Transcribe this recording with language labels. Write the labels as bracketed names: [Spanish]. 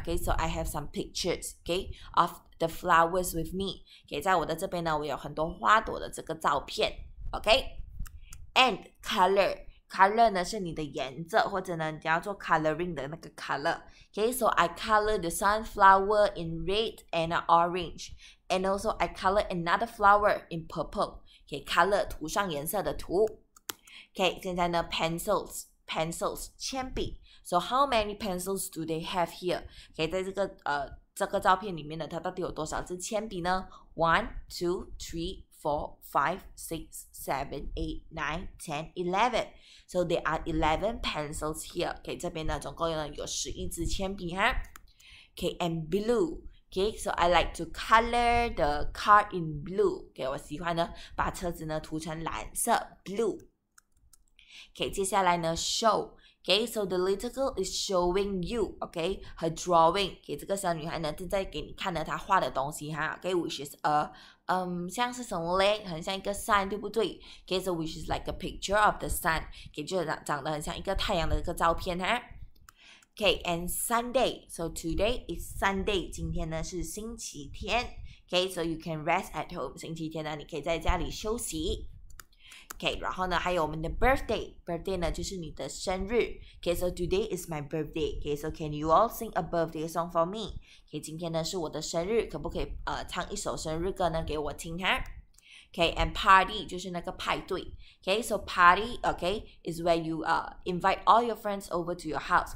[English] OK， so I have some pictures， OK， of the flowers with me。 [Chinese] OK， 在我的这边呢，我有很多花朵的这个照片。 OK， and color， color 呢是你的颜色，或者呢你要做 coloring 的那个 color。 [English] OK， so I color the sunflower in red and orange， and also I color another flower in purple。 [Chinese] OK， color 涂上颜色的涂。OK， 现在呢 pencils， pencils 铅笔。 [English] So how many pencils do they have here？ [Chinese] OK， 在这个这个照片里面呢，它到底有多少支铅笔呢？ [English] One， two， three。 4, 5, 6, 7, 8, 9, 10, 11. So there are 11 pencils here. [Chinese] Okay, 这边呢，总共呢有11支铅笔哈。 [English] Okay, and blue. Okay, so I like to color the car in blue. [Chinese] Okay, 我喜欢呢把车子呢涂成蓝色 blue. Okay, 接下来呢 show. [English] Okay, so the little girl is showing you, okay, her drawing. [Chinese] Okay, 这个小女孩呢正在给你看呢她画的东西哈。 Okay, which is a, 像是什么嘞？很像一个 sun, 对不对？ [English] Okay, so which is like a picture of the sun. [Chinese] Okay, 就长得很像一个太阳的一个照片哈。Okay, and Sunday. [English] So today is Sunday. [Chinese] 今天呢是星期天。 [English] Okay, so you can rest at home. [Chinese] 星期天呢你可以在家里休息。 Okay, 然后呢还有我们的 birthday， birthday 呢就是你的生日。 [English] Okay, so today is my birthday. Okay, so can you all sing a birthday song for me? [Chinese] Okay, 今天呢是我的生日，可不可以唱一首生日歌呢给我听哈。 Okay, and party 就是那个派对。 [English] Okay, so party, okay, is where you invite all your friends over to your house.